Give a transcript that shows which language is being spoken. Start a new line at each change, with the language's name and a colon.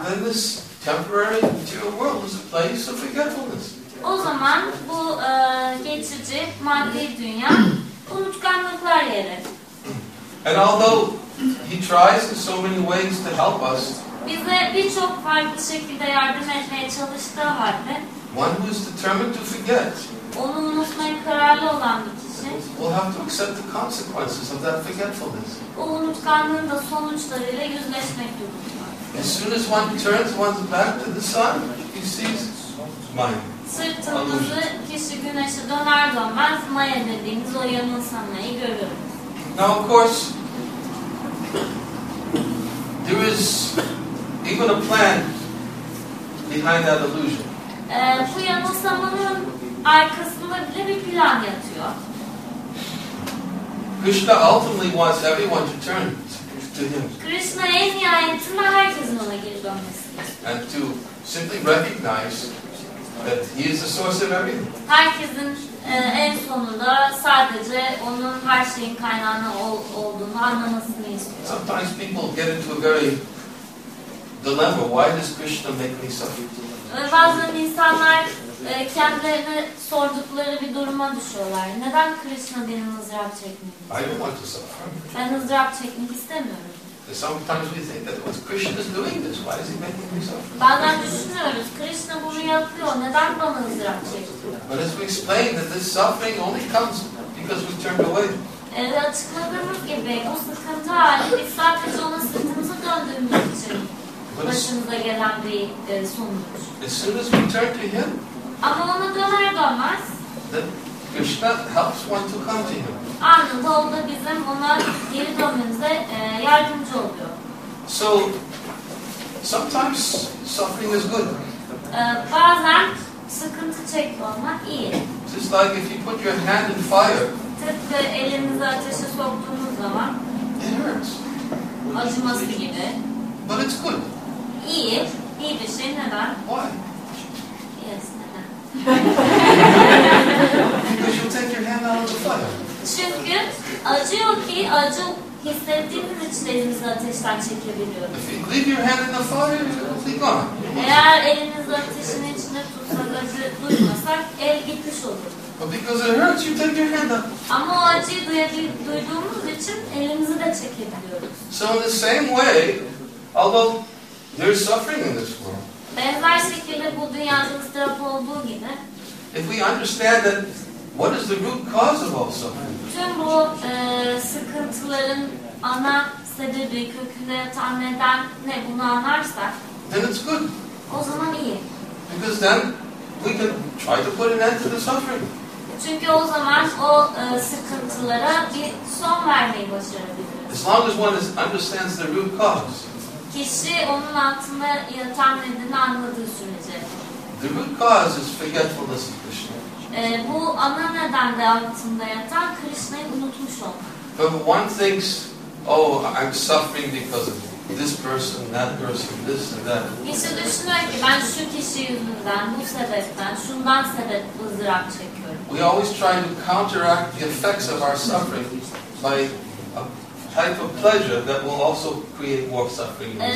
English: then this temporary material world is a place of forgetfulness.
Turkish: O zaman bu geçici maddi dünya unutkanlıklar yeri.
English: And although he tries in so many ways to help us,
Turkish: bize birçok farklı şekilde yardım etmeye çalıştığı halde,
English: one who is determined to forget,
Turkish: onu unutmaya kararlı olan bir kişi,
English: will have to accept the consequences of that forgetfulness.
Turkish: O unutkanlığın da sonuçlarıyla yüzleşmek durumunda.
English: As soon as one turns one's back to the sun, he sees maya.
Turkish: Sırtımızı kişi güneşe döner dönmez maya dediğimiz o yanılsamayı görürüz.
English: Now of course, there is even a plan behind that illusion.
Turkish: Bu yanılsamanın arkasında bile bir plan yatıyor.
English: Krishna ultimately wants everyone to turn to him.
Turkish: Krishna en nihayetinde herkesin ona geri dönmesi.
English: And to simply recognize that he is the source of everything.
Turkish: Herkesin en sonunda sadece onun her şeyin kaynağını olduğunu anlamasını istiyor.
English: Sometimes people get into a very dilemma. Why does Krishna make me suffer?
Turkish: Bazen insanlar kendilerine sordukları bir duruma düşüyorlar. Neden Krishna benim ızdırap çekmek istiyor?
English: I don't want to suffer.
Turkish: Ben ızdırap çekmek istemiyorum.
English: Sometimes we think that what Krishna is doing this, why is he making me suffer?
Turkish: Bazen düşünüyoruz, Krishna bunu yapıyor, neden bana ızdırap çekiyor?
English: But as we explain that this suffering only comes because we turned away.
Turkish: Açıkladığımız gibi bu sıkıntı hali biz sadece onun sırtımızı döndüğümüz için başımıza gelen bir sonuç.
English: As soon as we turn to him,
Turkish: ama ona döner dönmez,
English: Krishna helps one to come to him.
Turkish: Anında o da bizim ona geri dönmemize yardımcı oluyor.
English: So, sometimes suffering is good.
Turkish: Bazen sıkıntı çekme olmak iyi.
English: Just like if you put your hand in fire.
Turkish: Tıpkı elinizi ateşe soktuğunuz zaman.
English: It hurts.
Turkish: Acıması gibi.
English: But it's good.
Turkish: İyi. İyi bir şey neden?
English: Why? Yes,
Turkish: neden?
English: Because you'll take your hand out of the fire.
Turkish: Çünkü acıyor ki acı hissettiğimiz için elimizi ateşten çekebiliyoruz.
English: Leave your hand in the fire, it'll be gone.
Turkish: Eğer elinizi ateşin içine tutsak, acı duymasak el gitmiş olur.
English: But because it hurts, you take your hand up.
Turkish: Ama o acıyı duyduğumuz için elimizi de çekebiliyoruz.
English: So in the same way, although there's suffering in this world.
Turkish: Benzer şekilde bu dünyada ıstırap olduğu gibi.
English: If we understand that what is the root cause of all suffering?
Turkish: Tüm bu sıkıntıların ana sebebi, köküne tam neden ne bunu anlarsak,
English: then it's good.
Turkish: O zaman iyi.
English: Because then we can try to put an end to the suffering.
Turkish: Çünkü o zaman o sıkıntılara bir son vermeyi başarabiliriz.
English: As long as one understands the root cause.
Turkish: Kişi onun altında yatan nedeni anladığı sürece.
English: The root cause is forgetfulness of Krishna.
Turkish: Bu ana neden de altında yatan Krishna'yı unutmuş olmak.
English: But one thinks, oh, I'm suffering because of this person, that person, this and that.
Turkish: Kişi düşünüyor ki ben şu kişi yüzünden, bu sebepten, şundan sebep ızdırap çekiyorum.
English: We always try to counteract the effects of our suffering by a type of pleasure that will also create more suffering.